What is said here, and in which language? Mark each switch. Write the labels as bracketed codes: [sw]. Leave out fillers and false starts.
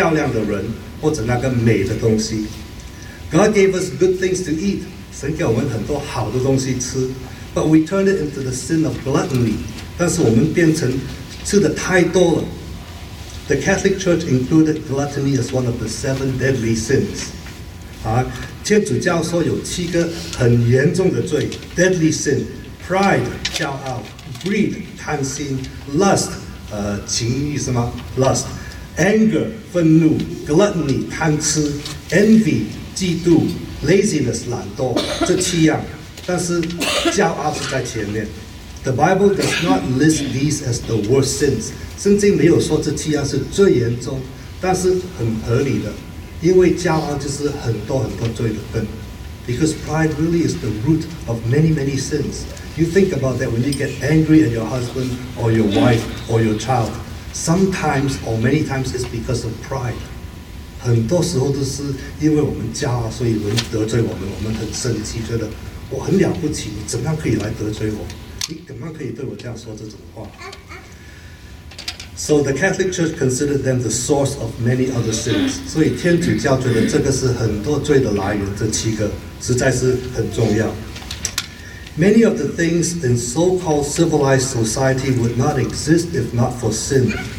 [zh] 但是人把这个美的东西变成一个犯罪，因为我们就敬拜那个漂亮的人或者那个美的东西。 [en] God gave us good things to eat. [zh] 神给我们很多好的东西吃。 [en] But we turned it into the sin of gluttony. [zh] 但是我们变成吃的太多了。 [en] The Catholic Church included gluttony as one of the 7 deadly sins. [zh] 天主教说有7个很严重的罪, deadly sin, pride, 骄傲, greed, 贪心, lust, 情欲是吗? Lust, anger, 愤怒, gluttony, 贪吃, envy, 嫉妒, laziness, 懒惰, 这七样, 但是骄傲是在前面。 [en] The Bible does not list these as the worst sins. [zh] 圣经没有说这七样是最严重， 但是很合理的， 因为骄傲就是很多很多罪的根。 [en] Because pride really is the root of many, many sins. You think about that when you get angry at your husband or your wife or your child. Sometimes or many times it's because of pride. [zh] 很多时候都是因为我们骄傲，所以人得罪我们，我们很生气，觉得我很了不起，你怎么样可以来得罪我？你怎么样可以对我这样说这种话？ [en] So the Catholic Church considered them the source of many other sins. [zh] 所以天主教觉得这个是很多罪的来源，这七个实在是很重要。 [en] Many of the things in so-called civilized society would not exist if not for sin.